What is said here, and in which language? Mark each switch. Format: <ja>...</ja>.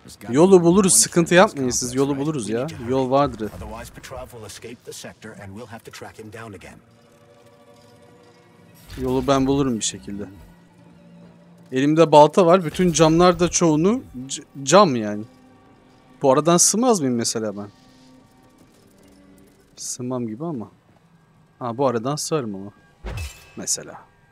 <tr>Yolu buluruz, sıkıntı yapmayın siz, yolu buluruz ya. Yol vardır.</tr> <en>Otherwise Petrov will escape the sector and we'll have to track him down again.</en> <tr>Yolu ben bulurum bir şekilde. Elimde balta var, bütün camlar da çoğunu cam yani. Bu aradan sığmaz mıyım mesela ben? Sığmam gibi ama. Ha, bu aradan sığarım ama. Mesela.</tr>